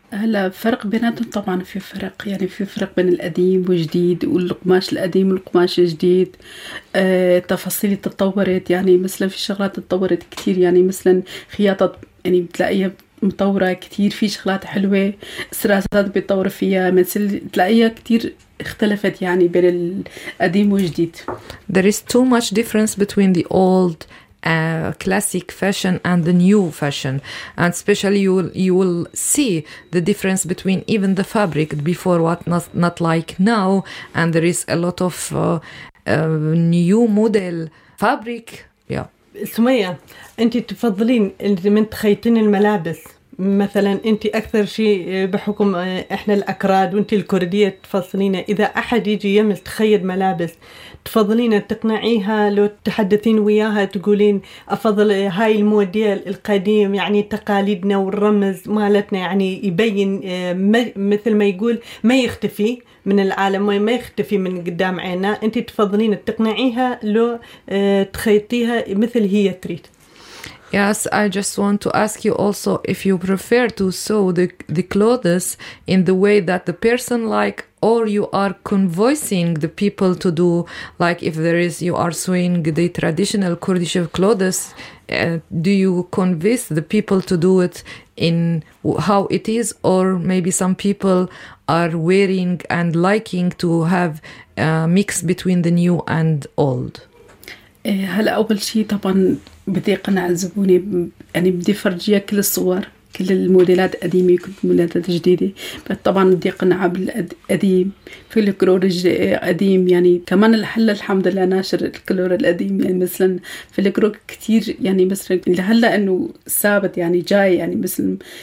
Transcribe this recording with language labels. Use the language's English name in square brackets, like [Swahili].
[Arabic] هلا فرق بيناتهم طبعا في فرق يعني في فرق بين القديم والجديد والقماش القديم والقماش الجديد تفاصيل تطورت يعني مثلا في شغلات تطورت كتير يعني مثلا خياطة يعني بتلاقيها مطورة كتير في شغلات حلوة سراسات بتطور فيها مثل تلاقيها كتير اختلفت يعني بين القديم والجديد. [English] There is too much difference between the old classic fashion and the new fashion, and especially you will see the difference between even the fabric before what not like now, and there is a lot of new model fabric. Yeah. [Arabic] سمية, أنت تفضلين من تخيطين الملابس مثلا أنت أكثر شيء بحكم إحنا الأكراد وأنت الكردية تفصلين إذا أحد يجي يمس تخيط ملابس تفضلين تقنعيها لو تحدثين وياها تقولين أفضل هاي الموديل القديم يعني تقاليدنا والرمز مالتنا يعني يبين مثل ما يقول ما يختفي من العالم ما يختفي من قدام عينا أنت تفضلين تقنعيها لو تخيطيها مثل هي تريد. [English] Yes, I just want to ask you also if you prefer to sew the clothes in the way that the person like, or you are convincing the people to do, like if there is, you are sewing the traditional Kurdish clothes, do you convince the people to do it in how it is, or maybe some people are wearing and liking to have a mix between the new and old? [Arabic] هلا أول شيء طبعاً بدي أقنع الزبوني يعني بدي فرجيها كل الصور كل الموديلات القديمة كل الموديلات الجديدة بس طبعاً بدي أقنعها بالقديم في الكلور القديم يعني كمان الحل الحمد لله ناشر الكلور القديم يعني مثلاً في الكلور كتير يعني مثلاً لهلا إنه ثابت يعني جاي يعني مثلاً